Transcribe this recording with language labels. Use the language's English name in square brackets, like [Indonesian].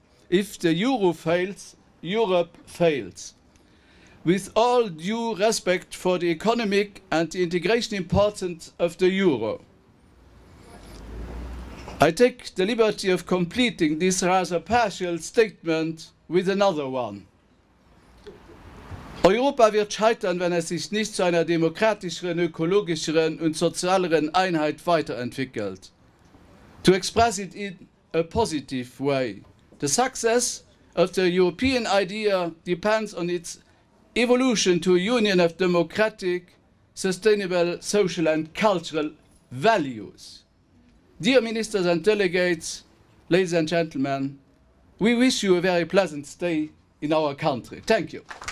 [English] If the Euro fails, Europe fails. With all due respect for the economic and the integration importance of the Euro, I take the liberty of completing this rather partial statement with another one. [German] Europa wird scheitern, wenn es sich nicht zu einer demokratischeren, ökologischeren und sozialeren Einheit weiterentwickelt. [English] To express it in a positive way, the success of the European idea depends on its evolution to a union of democratic, sustainable, social and cultural values. Dear ministers and delegates, ladies and gentlemen, we wish you a very pleasant stay in our country. Thank you.